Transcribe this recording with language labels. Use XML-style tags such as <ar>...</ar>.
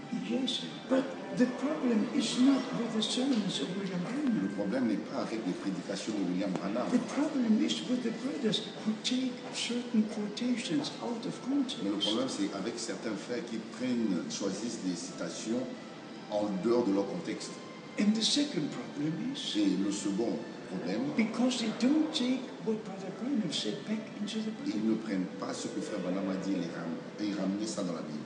<en>Yes, but the problem is not with the sermons of William Branham.</en> <fr>Le problème n'est pas avec les prédications de William Branham.</fr> <en>The problem is with the brothers who take certain quotations out of context.</en> <fr>Mais le problème c'est avec certains frères qui choisissent des citations en dehors de leur contexte.</fr> <en>And the second problem is</en> <fr>le second problème,</fr> <en>because they don't take</en> <fr>Ils ne prennent pas ce que Frère Branham a dit et ils ramènent ça dans la Bible.</fr>